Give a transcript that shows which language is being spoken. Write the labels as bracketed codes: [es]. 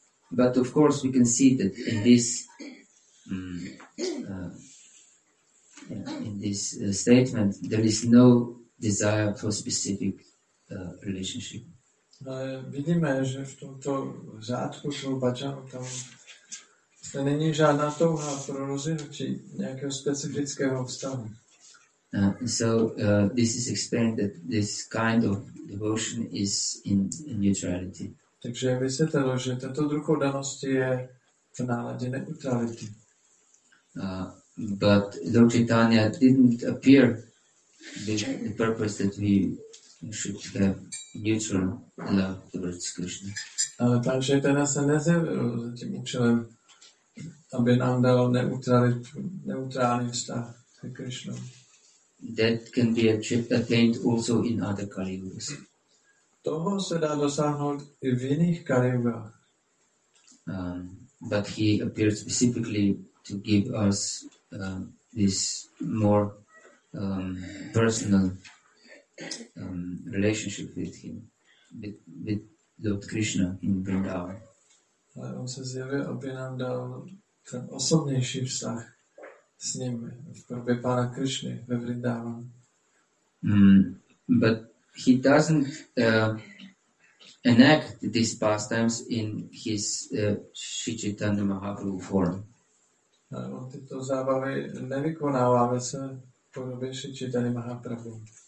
[en] But of course we can see that in this statement there is no desire for specific relationship. [cs] Vidíme, že v tomto řádku toho bhajanu tam to není žádná touha pro rozvinutí nějakého specifického vztahu. [en] This is explained that this kind of devotion is in neutrality. [cs] Takže vysvětlilo, že tato druh oddanosti je v náladě neutrality. [en] But Lord Chaitanya didn't appear with the purpose that we should have neutral love towards Krishna. [cs] Ale pan Chaitanya se nezjevil za tím účelem aby nám dal neutrální vztah ke Krishna. [en] That can be attained also in other Kali Yugas. [cs] Toho se dá dosáhnout i v jiných Kali Yugách. [en] But he appeared specifically to give us this more personal relationship with him, with Lord Krishna in Vrindavan. [cs] Ale on se zjavil, aby nám dal ten osobnější vztah s ním v podobě Pána Krishny ve Vrindavan. [en] But he doesn't enact these pastimes in his Sri Chaitanya Mahaprabhu form. [cs] Ale on tyto zábavy nevykonává ve své podobě Sri Chaitanya Mahaprabhu.